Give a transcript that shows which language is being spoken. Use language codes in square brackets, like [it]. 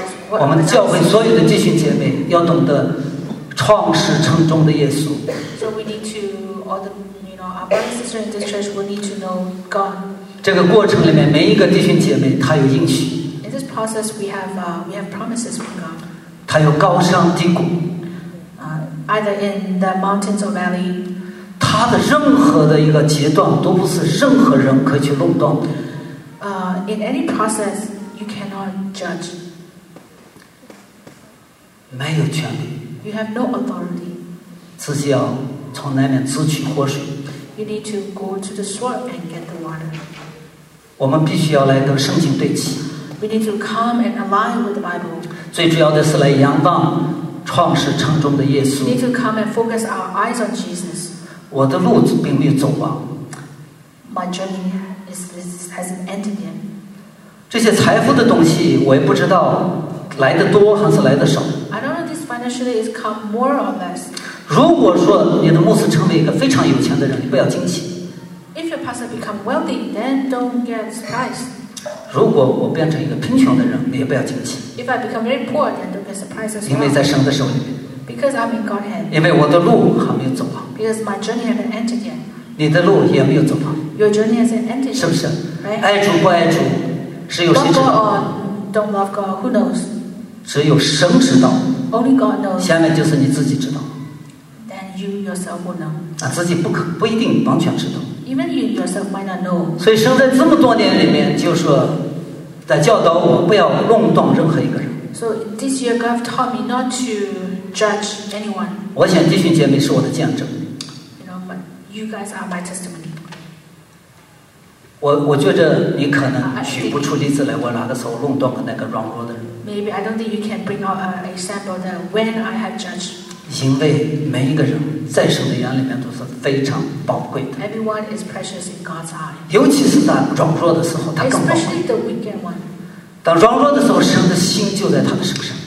[zh] 我们的教会所有的弟兄姐妹要懂得创始成终的耶稣。 [en] So we need to all the, you know, our brothers and sisters in this church will need to know God. [zh] 这个过程里面每一个弟兄姐妹他有应许。 [en] In this process we have promises from God. [zh] 他有高山低谷。 [en] Either in the mountains or valley. [zh] 他的任何的一个阶段都不是任何人可以去垄断的。 [en] In any process. You cannot judge. [zh] 没有权利。 [en] You have no authority. [zh] 自己要从那边汲取活水。 [en] You need to go to the source and get the water. [zh] 我们必须要来跟圣经对齐。 [en] We need to come and align with the Bible. [zh] 最主要的是来仰望创始成终的耶稣。 [en] We need to come and focus our eyes on Jesus. [zh] 我的路并没有走完。 [en] My journey hasn't ended yet. [zh] 这些财富的东西我也不知道来得多还是来得少。 [en] I don't know this financially is come more or less. [zh] 如果说你的牧师成为一个非常有钱的人，你不要惊喜。 [en] If your pastor become wealthy, then don't get surprised. [zh] 如果我变成一个贫穷的人，你也不要惊喜。 [en] If I become very poor, then don't get surprised as well. [zh] 因为在神的手里面。 [en] Because I'm in God's hand. [zh] 因为我的路还没有走完。 [en] Because my journey hasn't ended yet. [zh] 你的路也没有走完。 [en] Your journey hasn't ended yet. [zh] 是不是？ [en] Right? [zh] 爱主不爱主？只有谁知道 [en] love God or don't love God, who knows? [zh] 只有神知道。 [en] Only God knows. [zh] 下面就是你自己知道。 [en] Then you yourself will know. [zh] 啊，自己不一定完全知道。 [en] Even you yourself might not know. [zh] 所以神在这么多年里面就说，在教导我不要弄断任何一个人。 [en] So this year God taught me not to judge anyone. [zh] 我想弟兄姐妹是我的见证。 [en] You know, but you guys are my testimony. [zh] 我觉得你可能举不出例子来，我哪个时候弄断那个软弱的人 [en] ？Maybe I don't think you can bring out an example that when I have judged. [zh] 因为每一个人在神的眼里面都是非常宝贵的。 [en] Everyone is precious in God's eye. [zh] 尤其是在软弱的时候，他更宝贵。 [en] Especially the weaker one. [zh] 当软弱的时候，神的心就在他的身上。